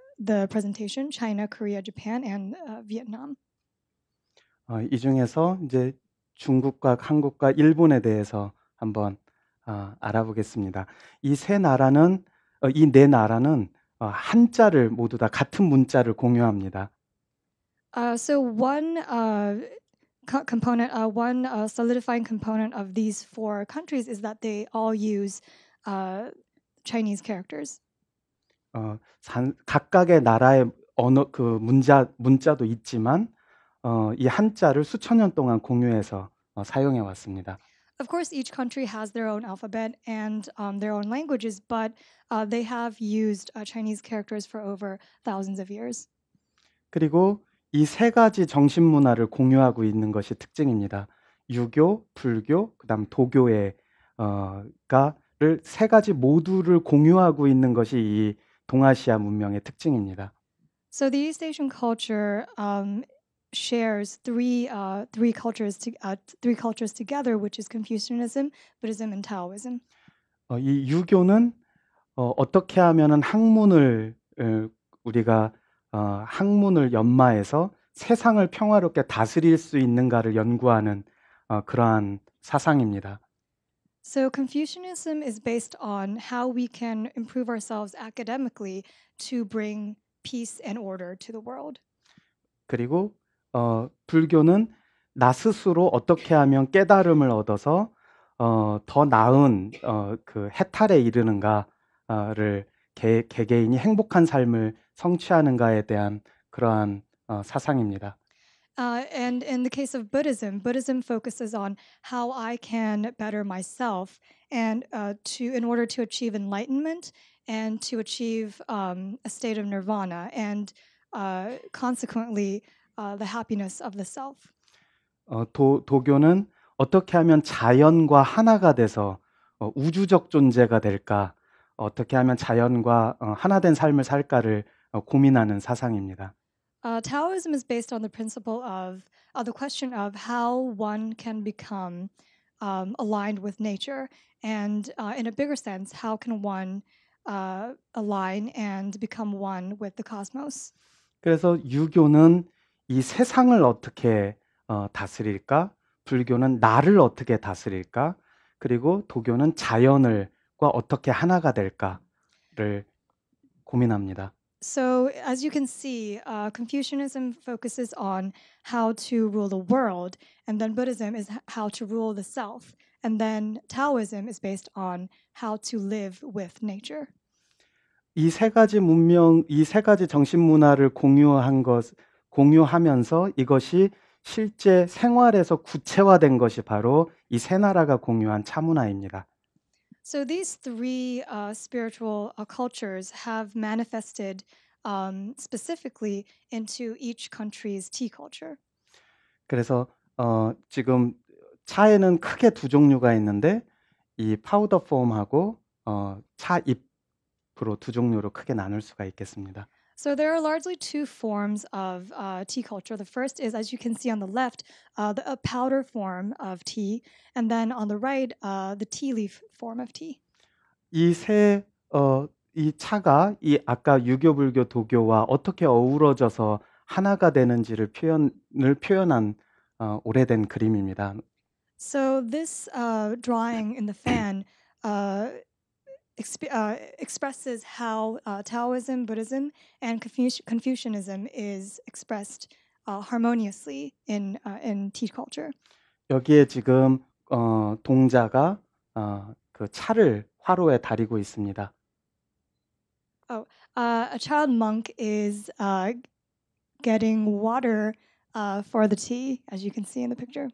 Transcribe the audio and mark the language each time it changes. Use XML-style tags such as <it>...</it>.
<en>the presentation, China, Korea, Japan, and Vietnam.</en> <ko>이 중에서 이제 중국과 한국과 일본에 대해서 한번 알아보겠습니다. 이 세 나라는 이 네 나라는 한자를 모두 다 같은 문자를 공유합니다.</ko> <en>So one component, one solidifying component of these four countries is that they all use Chinese characters.</en> <ko>각각의 나라의 언어 그 문자도 있지만 이 한자를 수천 년 동안 공유해서 사용해 왔습니다.</ko> <en>Of course, each country has their own alphabet and their own languages, but they have used Chinese characters for over thousands of years.</en> <ko>그리고 이 세 가지 정신 문화를 공유하고 있는 것이 특징입니다. 유교, 불교, 그다음 도교의 가를 세 가지 모두를 공유하고 있는 것이 이 동아시아 문명의 특징입니다.</ko> <en>So the East Asian culture shares three cultures together, which is Confucianism, Buddhism, and Taoism.</en> <ko>이 유교는 어떻게 하면은 학문을 우리가 학문을 연마해서 세상을 평화롭게 다스릴 수 있는가를 연구하는 그러한 사상입니다.</ko> <en>So Confucianism is based on how we can improve ourselves academically to bring peace and order to the world.</en> <ko>그리고 불교는 나 스스로 어떻게 하면 깨달음을 얻어서 더 나은 그 해탈에 이르는가를 개개인이 행복한 삶을 성취하는가에 대한 그러한 사상입니다.</ko> <en>And in the case of Buddhism, Buddhism focuses on how I can better myself and in order to achieve enlightenment and to achieve a state of nirvana and consequently the happiness of the self.</en> <ko>도교는 어떻게 하면 자연과 하나가 돼서 우주적 존재가 될까? 어떻게 하면 자연과 하나 된 삶을 살까를 고민하는 사상입니다.</ko> <en>Taoism is based on the principle of the question of how one can become aligned with nature and in a bigger sense how can one align and become one with the cosmos.</en> <ko>그래서 유교는 이 세상을 어떻게 다스릴까? 불교는 나를 어떻게 다스릴까? 그리고 도교는 자연을 어떻게 하나가 될까를 고민합니다.</ko> <en>So as you can see, Confucianism focuses on how to rule the world, and then Buddhism is how to rule the self, and then Taoism is based on how to live with nature.</en> <ko>이 세 가지 문명, 이 세 가지 정신 문화를 공유하면서 이것이 실제 생활에서 구체화된 것이 바로 이 세 나라가 공유한 차문화입니다.</ko> <en>So these three spiritual cultures have manifested specifically into each country's tea culture.</en> <ko>그래서 지금 차에는 크게 두 종류가 있는데 이 파우더 폼하고 차 잎으로 두 종류로 크게 나눌 수가 있겠습니다.</ko> <en>So there are largely two forms of tea culture. The first is, as you can see on the left, a powder form of tea, and then on the right, the tea leaf form of tea.</en> <ko>이 세, 이 차가 이 아까 유교, 불교, 도교와 어떻게 어우러져서 하나가 되는지를 표현한 오래된 그림입니다.</ko> <en>So this drawing in the fan expresses how Taoism, Buddhism, and Confucianism is expressed harmoniously in tea culture.</en> <ko>여기에 지금 동자가 그 차를 화로에 다리고 있습니다.</ko> <en>Oh, a child monk is getting water for the tea, as you can see in the picture.</en>